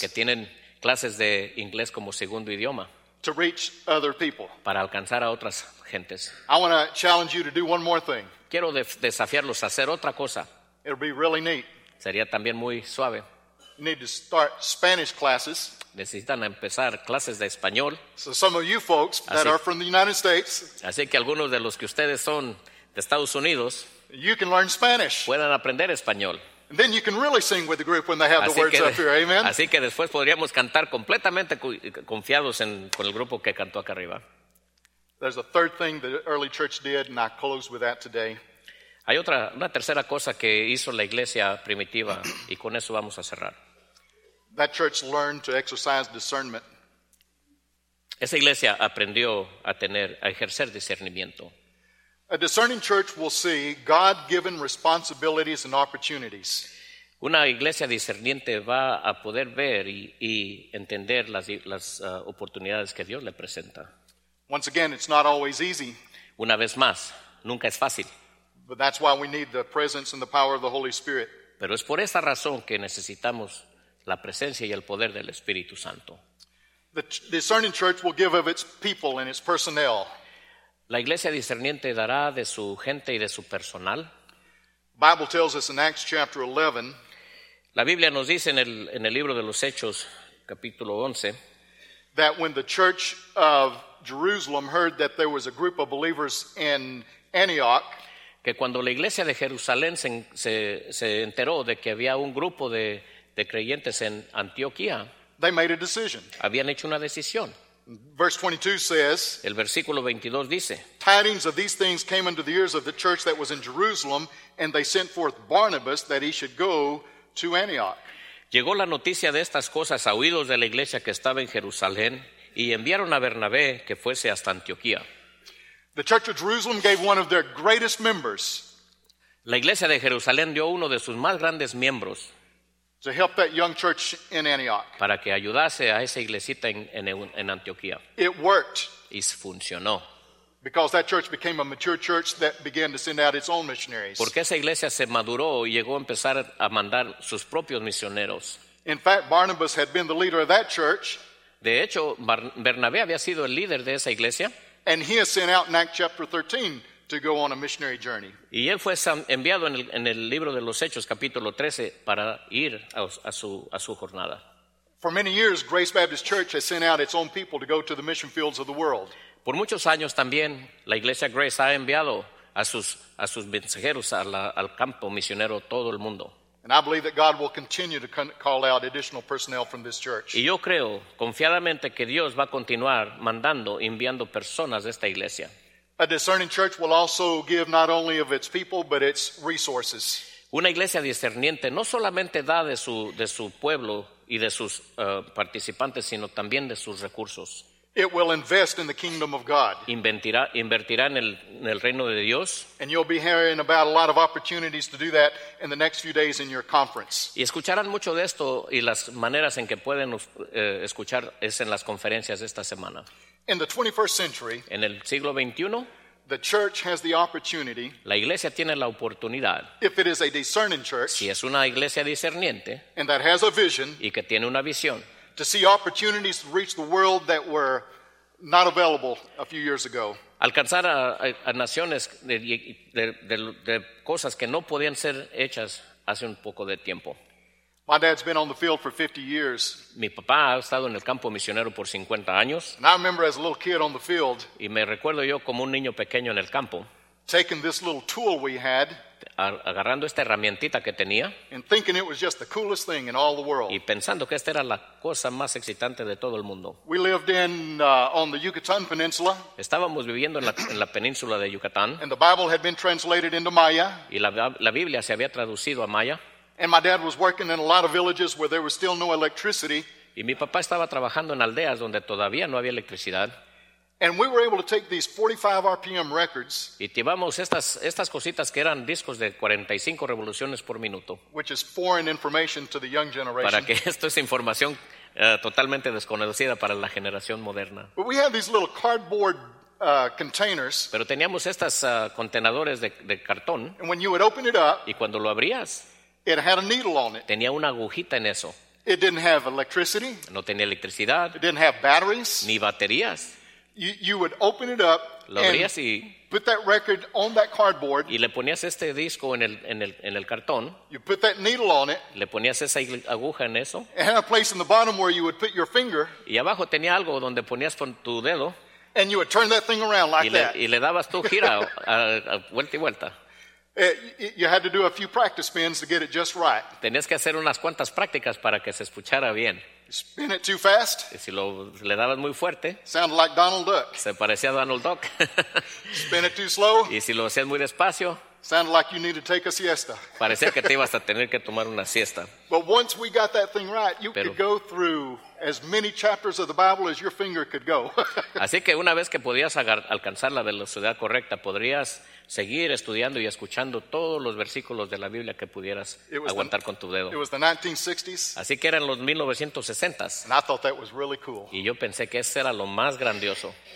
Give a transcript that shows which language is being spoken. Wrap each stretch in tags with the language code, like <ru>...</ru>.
<es>Que tienen clases de inglés como segundo idioma.</es> <en>To reach other people.</en> <es>Para alcanzar a otras gentes.</es> <en>I want to challenge you to do one more thing.</en> <es>Quiero desafiarlos a hacer otra cosa.</es> <en>It'll be really neat.</en> <es>Sería también muy suave.</es> <en>You need to start Spanish classes.</en> <es>Necesitan empezar clases de español.</es> <en>So some of you folks that are from the United States.</en> <es>Así que algunos de los que ustedes son de Estados Unidos.</es> <en>You can learn Spanish.</en> <es>Puedan aprender español.</es> <en>And then you can really sing with the group when they have así the words up here, amen?</en> <es>Así que después podríamos cantar completamente confiados con el grupo que cantó acá arriba.</es> <en>There's a third thing the early church did, and I close with that today.</en> <es>Hay una tercera cosa que hizo la iglesia primitiva, y con eso vamos a cerrar.</es> <en>That church learned to exercise discernment.</en> <es>Esa iglesia aprendió a ejercer discernimiento.</es> <en>A discerning church will see God-given responsibilities and opportunities.</en> <es>Una iglesia discerniente va a poder ver y entender las oportunidades que Dios le presenta.</es> <en>Once again, it's not always easy.</en> <es>Una vez más, nunca es fácil.</es> <en>But that's why we need the presence and the power of the Holy Spirit.</en> <es>Pero es por esa razón que necesitamos la presencia y el poder del Espíritu Santo.</es> <en>The discerning church will give of its people and its personnel.</en> <es>La iglesia discerniente dará de su gente y de su personal.</es> <en>The Bible tells us in Acts chapter 11.</en> <es>La Biblia nos dice en el libro de los Hechos, capítulo 11.</es> <en>That when the church of Jerusalem heard that there was a group of believers in Antioch.</en> <es>Que cuando la iglesia de Jerusalén se enteró de que había un grupo de creyentes en Antioquía.</es> <en>They made a decision.</en> <es>Habían hecho una decisión.</es> <en>Verse 22 says,</en> <es>el versículo 22 dice,</es> <en>tidings of these things came unto the ears of the church that was in Jerusalem, and they sent forth Barnabas that he should go to Antioch.</en> <es>Llegó la noticia de estas cosas a oídos de la iglesia que estaba en Jerusalén, y enviaron a Bernabé que fuese hasta Antioquía.</es> <en>The church of Jerusalem gave one of their greatest members.</en> <es>La iglesia de Jerusalén dio uno de sus más grandes miembros.</es> <en>To help that young church in Antioch.</en> <es>Para que ayudase a esa iglesita en Antioquía.</es> <en>It worked.</en> <es>Y funcionó.</es> <en>Because that church became a mature church that began to send out its own missionaries.</en> <es>Porque esa iglesia se maduró y llegó a empezar a mandar sus propios misioneros.</es> <en>In fact, Barnabas had been the leader of that church.</en> <es>De hecho, Bernabé había sido el líder de esa iglesia.</es> <en>And he is sent out in Acts chapter 13 to go on a missionary journey.</en> <es>Y él fue enviado en el libro de los Hechos capítulo 13 para ir a su jornada.</es> <en>For many years, Grace Baptist Church has sent out its own people to go to the mission fields of the world.</en> <es>Por muchos años también la iglesia Grace ha enviado a sus mensajeros al campo misionero todo el mundo.</es> <en>And I believe that God will continue to call out additional personnel from this church.</en> <es>Y yo creo confiadamente que Dios va a continuar mandando, enviando personas de esta iglesia.</es> <en>A discerning church will also give not only of its people, but its resources.</en> <es>Una iglesia discerniente no solamente da de su pueblo y de sus participantes, sino también de sus recursos.</es> <en>It will invest in the kingdom of God.</en> <es>Invertirá en el reino de Dios.</es> <en>And you'll be hearing about a lot of opportunities to do that in the next few days in your conference.</en> <es>Y escucharán mucho de esto, y las maneras en que pueden escuchar es en las conferencias de esta semana.</es> <en>In the 21st century,</en> <es>en el siglo 21,</es> <en>the church has the opportunity.</en> <es>La iglesia tiene la oportunidad.</es> <en>If it is a discerning church,</en> <es>si es una iglesia discerniente,</es> <en>and that has a vision,</en> <es>y que tiene una visión,</es> <en>to see opportunities to reach the world that were not available a few years ago.</en> <es>Alcanzar a naciones de cosas que no podían ser hechas hace un poco de tiempo.</es> <en>My dad's been on the field for 50 years.</en> <es>Mi papá ha estado en el campo misionero por 50 años.</es> <en>And I remember as a little kid on the field.</en> <es>Y me recuerdo yo como un niño pequeño en el campo.</es> <en>Taking this little tool we had.</en> <es>Agarrando esta herramientita que tenía.</es> <en>And thinking it was just the coolest thing in all the world.</en> <es>Y pensando que esta era la cosa más excitante de todo el mundo.</es> <en>We lived in on the Yucatan Peninsula.</en> <es>Estábamos viviendo en la península de Yucatán.</es> <en>And the Bible had been translated into Maya.</en> <es>Y la Biblia se había traducido a Maya.</es> <en>And my dad was working in a lot of villages where there was still no electricity.</en> <es>Y mi papá estaba trabajando en aldeas donde todavía no había electricidad.</es> <en>And we were able to take these 45 RPM records.</en> <es>Y llevamos estas cositas que eran discos de 45 revoluciones por minuto.</es> <en>Which is foreign information to the young generation.</en> <es>Para que esto es información totalmente desconocida para la generación moderna.</es> <en>But we had these little cardboard containers.</en> <es>Pero teníamos estas contenedores de cartón.</es> <en>And when you would open it up.</en> <es>Y cuando lo abrías.</es> <en>It had a needle on it.</en> <es>Tenía una agujita en eso.</es> <en>It didn't have electricity.</en> <es>No tenía electricidad.</es> <en>It didn't have batteries.</en> <es>Ni baterías.</es> <en>You would open it up.</en> <es>Lo abrías</es> <en>and</en> <es>y</es> <en>put that record on that cardboard.</en> <es>Y le ponías este disco en el cartón.</es> <en>You put that needle on it.</en> <es>Le ponías esa aguja en eso.</es> <en>It had a place in the bottom where you would put your finger.</en> <es>Y abajo tenía algo donde ponías con tu dedo.</es> <en>And you would turn that thing around like</en> <es>y le</es> <en>that.</en> <es>Y le dabas tu gira a vuelta y vuelta.</es> <en>You had to do a few practice spins to get it just right.</en> <es>Tenías que hacer unas cuantas prácticas para que se escuchara bien.</es> <en>Spin it too fast.</en> <es>Y si lo le dabas muy fuerte.</es> <en>Sounded like Donald Duck.</en> <es>Se parecía a Donald Duck.</es> <en>Spin it too slow.</en> <es>Y si lo hacías muy despacio.</es> <en>Sounded like you need to take a siesta.</en> <es>Parecía que te ibas a tener que tomar una siesta.</es> <en>But once we got that thing right, you could go through as many chapters of the Bible as your finger could go.</en> <es>Así que una vez que podías alcanzar la velocidad correcta, podrías seguir estudiando y escuchando todos los versículos de la Biblia que pudieras aguantar con tu dedo.</es> <en>It was the 1960s.</en> <es>Así que eran los 1960s.</es> <en>And I thought that was really cool.</en> <es>Y yo pensé que ese era lo más grandioso.</es>